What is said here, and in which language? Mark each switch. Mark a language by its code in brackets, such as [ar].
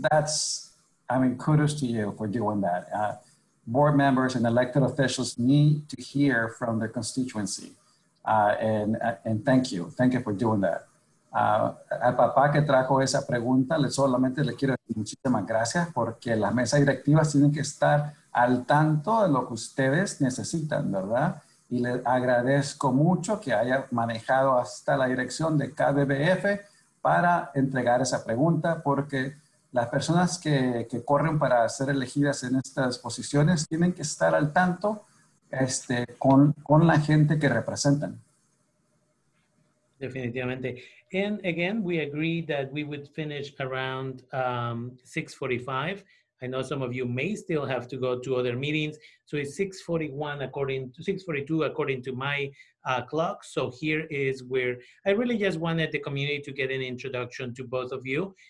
[en] That's kudos to you for doing that. Board members and elected officials need to hear from their constituency. And thank you for doing that. [es] Al papá que trajo esa pregunta, solamente le quiero decir muchísimas gracias porque las mesas directivas tienen que estar al tanto de lo que ustedes necesitan, ¿verdad? Y le agradezco mucho que haya manejado hasta la dirección de KBBF para entregar esa pregunta porque las personas que corren para ser elegidas en estas posiciones tienen que estar al tanto con la gente que representan. Definitivamente. [en] And again, we agreed that we would finish around 6:45. I know some of you may still have to go to other meetings. So it's 6:42 according to my clock. So here is where I really just wanted the community to get an introduction to both of you.